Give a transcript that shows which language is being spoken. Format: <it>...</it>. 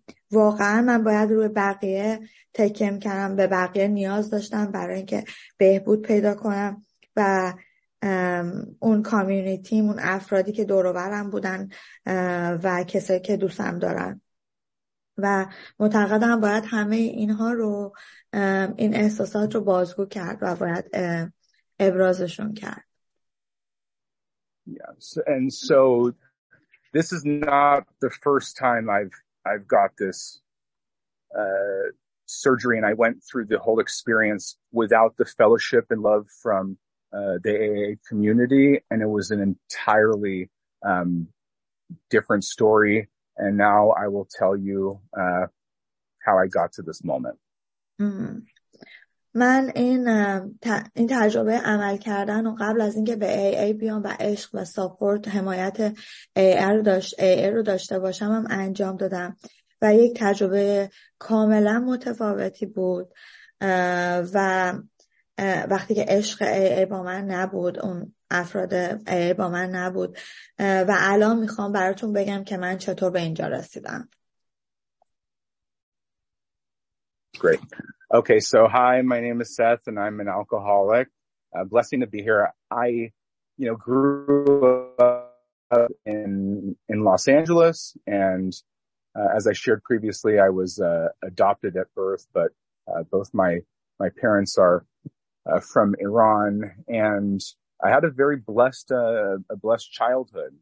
<fa>واقعا من باید روی بقیه تکیه میکردم، به بقیه نیاز داشتم برای اینکه بهبود پیدا کنم، و اون کامیونیتیم، اون افرادی که دور و برم بودن و کسایی که دوستم دارن، و معتقدم باید همه اینها رو، این احساسات رو بازگو کرد و باید ابرازشون کرد.</fa> <en>Yes. And so this is not the first time I've got this surgery, and I went through the whole experience without the fellowship and love from the AA community, and it was an entirely different story. And now I will tell you how I got to this moment.</en> <fa>من این تجربه عمل کردن و قبل از اینکه به AA بیام و عشق و ساپورت حمایت AA رو داشته باشم هم انجام دادم، و یک تجربه کاملا متفاوتی بود. و وقتی که عشق AA با من نبود، اون افراد AA با من نبود، و الان میخوام براتون بگم که من چطور به اینجا رسیدم.</fa> <en>Great. Okay, so hi, my name is Seth and I'm an alcoholic. Blessing to be here. I, you know, grew up in Los Angeles, and as I shared previously, I was adopted at birth, but both my parents are from Iran, and I had a very blessed childhood.</en>